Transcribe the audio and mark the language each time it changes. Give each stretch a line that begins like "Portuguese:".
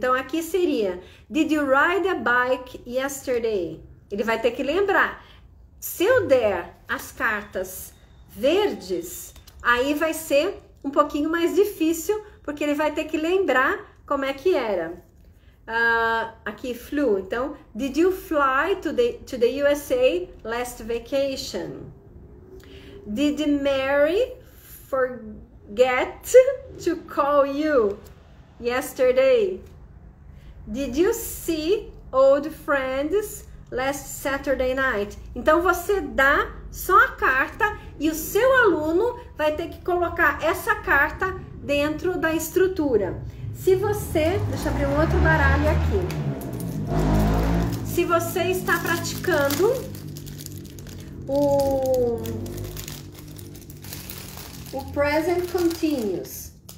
Portuguese: Então aqui seria:
English: Did you ride a bike yesterday?
Portuguese: Ele vai ter que lembrar. Se eu der as cartas verdes, aí vai ser um pouquinho mais difícil. Porque ele vai ter que lembrar como é que era. Aqui, flew.
English: Então, did you fly to the USA last vacation? Did Mary forget to call you yesterday? Did you see old friends last Saturday night?
Portuguese: Então, você dá só a carta e o seu aluno vai ter que colocar essa carta dentro da estrutura. Se você, deixa eu abrir um outro baralho aqui. Se você está praticando o present continuous.